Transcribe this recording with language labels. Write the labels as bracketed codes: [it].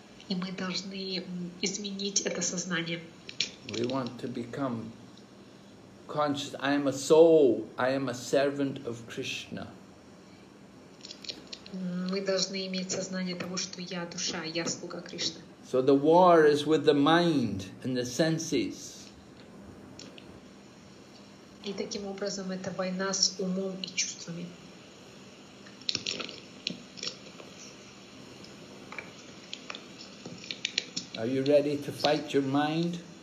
[ru] И мы должны изменить это сознание. [en] We want to become conscious. I am a soul. I am a servant of Krishna. [ru] Мы должны иметь сознание того, что я душа, я слуга Кришны. [en] So the war is with the mind and the senses. [ru] И таким образом это война с умом и чувствами. [en] Are you ready to fight your mind?